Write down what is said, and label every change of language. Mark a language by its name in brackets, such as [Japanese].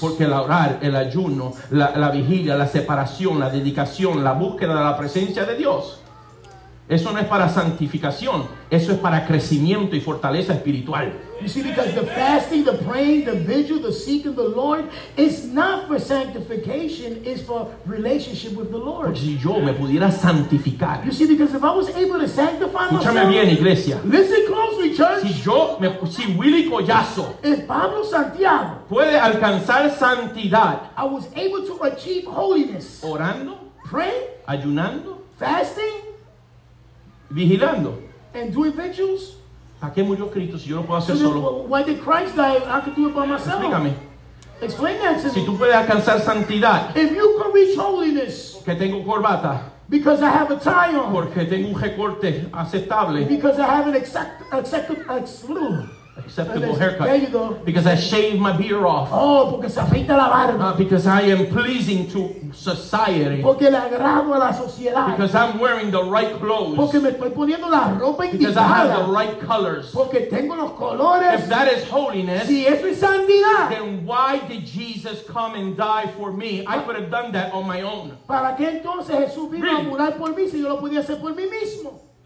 [Spanish] Porque el orar, el ayuno, la vigilia, la separación, la dedicación, la búsqueda de la presencia de Dios. Eso no es para santificación, eso es para crecimiento y fortaleza espiritual. [English] You see, because the fasting, the praying, the vigil, the seeking the Lord is not for sanctification, it's for relationship with the Lord. [Spanish] Porque si yo me pudiera santificar. [English] You see, because if I was able to sanctify myself. [Spanish] Escúchame bien, iglesia. [English] Listen closely, church. [Spanish] Si Willy Collazo. [English] If Pablo Santiago. [Spanish] Puede alcanzar santidad. [English] I was able to achieve holiness. [Spanish] Orando. [English] Pray. [Spanish] Ayunando. [English] Fasting. [Spanish] Vigilando. [English] And doing vigils. [Spanish] ¿A qué murió Cristo si yo no puedo hacer solo? [English] Why did Christ die? I could do it by myself. [Spanish] Explícame. [English] Explain that to me. [Spanish] Si tú puedes alcanzar santidad. [English] If you can reach holiness. [Spanish] Que tengo corbata. [English] Because I have a tie on. [Spanish] Porque tengo un recorte aceptable. [English] Because I have an acceptable. acceptable haircut. There you go. Because I shaved my beard off. [Spanish] Oh, porque se afeita la barba. [English] Because I am pleasing to society. [Spanish] Porque le agrado a la sociedad. [English] Because I'm wearing the right clothes. [Spanish] Porque me estoy poniendo la ropa indicada. [English] Because I have the right colors. [Spanish] Porque tengo los colores. [English] If that is holiness, [Spanish] si eso es santidad, [English] then why did Jesus come and die for me? I could have done that on my own. [Spanish] ¿Para qué entonces Jesús vino a morar por mí si yo lo podía hacer por mí mismo?